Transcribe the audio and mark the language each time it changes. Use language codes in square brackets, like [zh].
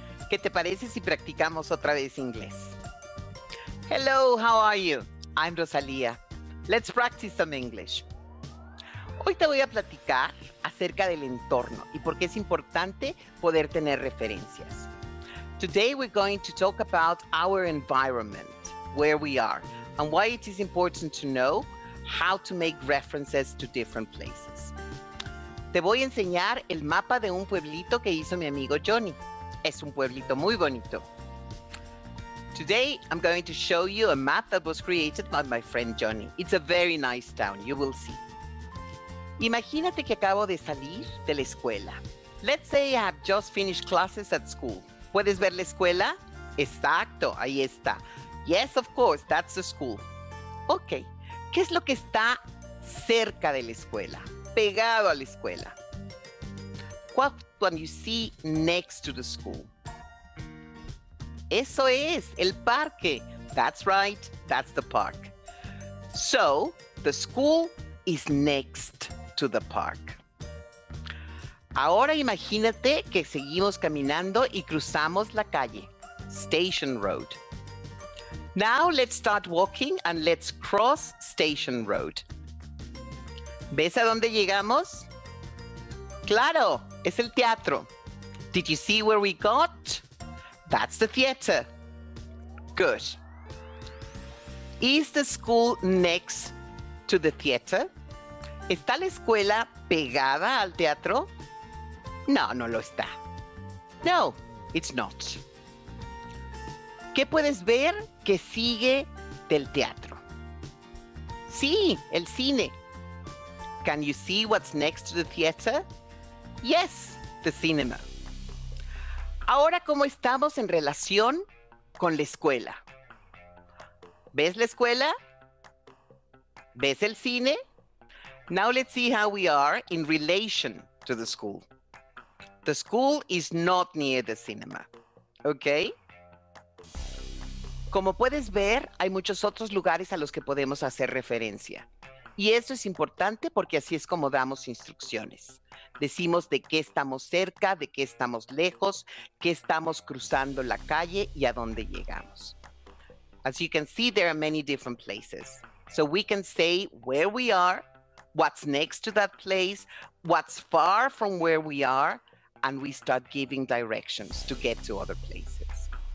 [es] ¿Qué te parece si practicamos otra vez inglés? [en] Hello, how are you? I'm Rosalía. Let's practice some English. [es] Hoy te voy a platicar acerca del entorno y por qué es importante poder tener referencias. [en] Today we're going to talk about our environment, where we are, and why it is important to know how to make references to different places. [es] Te voy a enseñar el mapa de un pueblito que hizo mi amigo Johnny. Es un pueblito muy bonito. [en] Today, I'm going to show you a map that was created by my friend Johnny. It's a very nice town, you will see. [es] Imagínate que acabo de salir de la escuela. [en] Let's say I have just finished classes at school. [es] ¿Puedes ver la escuela? Exacto, ahí está. [en] Yes, of course, that's the school. [es] Ok, ¿qué es lo que está cerca de la escuela? Pegado a la escuela. [en] What do you see next to the school? [es] Eso es, el parque. [en] That's right, that's the park. So, the school is next to the park. [es] Ahora imagínate que seguimos caminando y cruzamos la calle. [en] Station Road. Now let's start walking and let's cross Station Road. [es] ¿Ves a dónde llegamos? Claro, es el teatro. [en] Did you see where we got? That's the theater. Good. Is the school next to the theater? [es] ¿Está la escuela pegada al teatro? No, no lo está. [en] No, it's not. [es] ¿Qué puedes ver que sigue del teatro? Sí, el cine. [en] Can you see what's next to the theater? Yes, the cinema. [es] Ahora, ¿cómo estamos en relación con la escuela? ¿Ves la escuela? ¿Ves el cine? [en] Now let's see how we are in relation to the school. The school is not near the cinema. Okay? [es] Como puedes ver, hay muchos otros lugares a los que podemos hacer referencia. Y eso es importante porque así es como damos instrucciones. Decimos de qué estamos cerca, de qué estamos lejos, qué estamos cruzando la calle y a dónde llegamos. [en] As you can see, there are many different places. So we can say where we are, what's next to that place, what's far from where we are, and we start giving directions to get to other places.